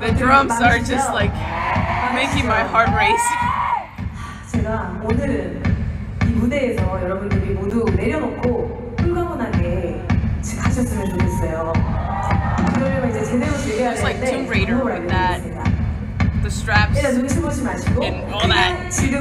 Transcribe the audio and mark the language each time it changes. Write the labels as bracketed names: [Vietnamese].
[English] The drums are just like making my heart race. [Korean] 제가 오늘 이 무대에서 여러분들이 모두 내려놓고 흥건하게 가셨으면 좋겠어요. 그러면 이제 제대로 즐겨야 [English] just like Tomb Raider with that the straps and all that.